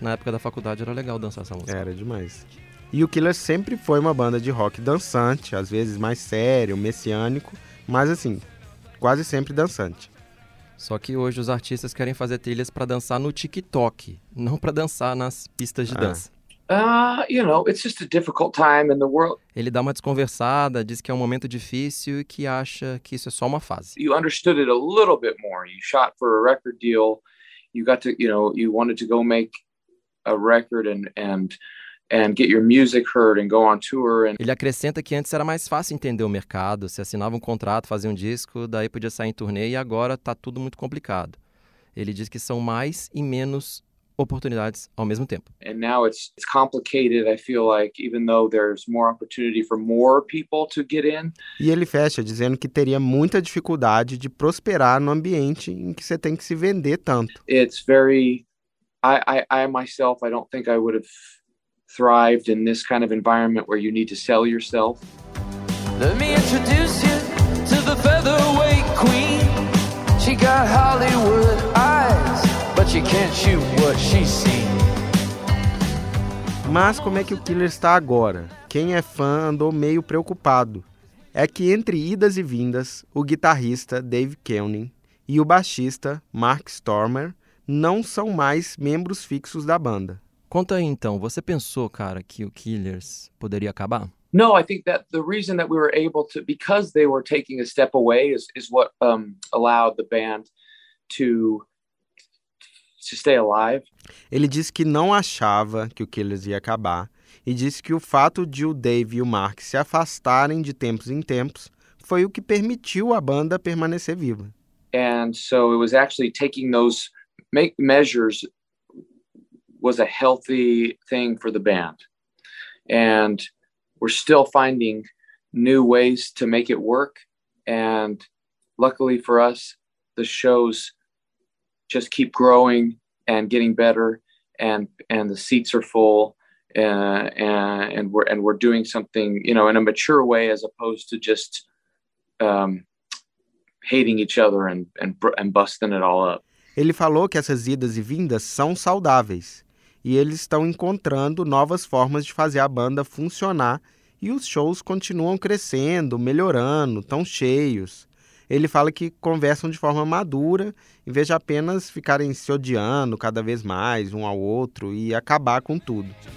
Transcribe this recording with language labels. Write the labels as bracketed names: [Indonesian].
[Portuguese] Na época da faculdade era legal dançar essa música. Era demais. E o Killers sempre foi uma banda de rock dançante, às vezes mais sério, messiânico. Mas assim, quase sempre dançante. Só que hoje os artistas querem fazer trilhas para dançar no TikTok, não para dançar nas pistas de dança. [English] It's just a difficult time in the world. [Portuguese] Ele dá uma desconversada, diz que é um momento difícil e que acha que isso é só uma fase. [English] You understood it a little bit more. You shot for a record deal. You got to, you wanted to go make a record and get your music heard and go on tour. [Portuguese] Ele acrescenta que antes era mais fácil entender o mercado, se assinava um contrato, fazia um disco, daí podia sair em turnê e agora tá tudo muito complicado. Ele diz que são mais e menos oportunidades ao mesmo tempo. [English] And now it's complicated, I feel like, even though there's more opportunity for more people to get in. [Portuguese] E ele fecha dizendo que teria muita dificuldade de prosperar no ambiente em que você tem que se vender tanto. [English] It's very I myself I don't think I would have thrived in this kind of environment where you need to sell yourself. Let me introduce you to the featherweight queen. She got Hollywood eyes, but she she can't shoot what she sees. [Portuguese] Mas como é que o Killer está agora? Quem é fã andou meio preocupado. É que entre idas e vindas, o guitarrista Dave Keuning e o baixista Mark Stormer não são mais membros fixos da banda. Conta aí então, você pensou, cara, que o Killers poderia acabar? [English] No, I think that the reason that we were able to, because they were taking a step away, is what allowed the band to stay alive. [Portuguese] Ele disse que não achava que o Killers ia acabar e disse que o fato de o Dave e o Mark se afastarem de tempos em tempos foi o que permitiu a banda permanecer viva. [English] And so it was actually taking those measures was a healthy thing for the band. And we're still finding new ways to make it work. And luckily for us, the shows just keep growing and getting better, and the seats are full, and we're doing something, you know, in a mature way, as opposed to just hating each other and busting it all up. [Portuguese] Ele falou que essas idas e vindas são saudáveis e eles estão encontrando novas formas de fazer a banda funcionar e os shows continuam crescendo, melhorando, tão cheios. Ele fala que conversam de forma madura, em vez de apenas ficarem se odiando cada vez mais um ao outro e acabar com tudo.